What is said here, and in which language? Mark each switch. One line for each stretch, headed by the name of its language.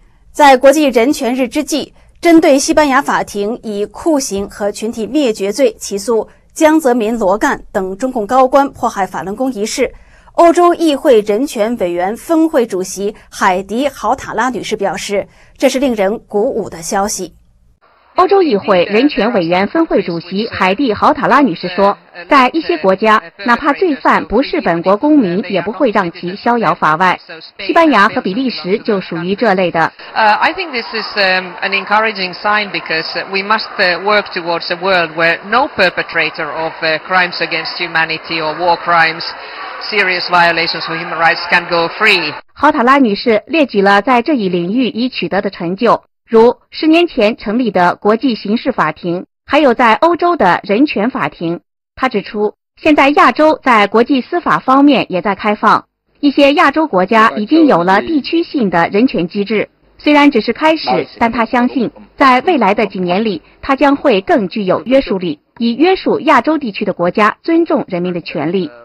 Chinese: 在国际人权日之际，针对西班牙法庭以酷刑和群体灭绝罪起诉江泽民、罗干等中共高官迫害法轮功一事，欧洲议会人权委员分会主席海迪·豪塔拉女士表示，这是令人鼓舞的消息。欧洲议会人权委员分会主席海蒂·豪塔拉女士说，在一些国家，哪怕罪犯不是本国公民，也不会让其逍遥法外。西班牙和比利时就属于这类的。
English: I think this is an encouraging sign because we must work towards a world where no perpetrator of crimes against humanity or war crimes, serious violations of human rights can go free.
Chinese: 豪塔拉女士列举了在这一领域已取得的成就。如10年前成立的国际刑事法庭，还有在欧洲的人权法庭。他指出，现在亚洲在国际司法方面也在开放，一些亚洲国家已经有了地区性的人权机制，虽然只是开始，但他相信在未来的几年里，它将会更具有约束力，以约束亚洲地区的国家尊重人民的权利。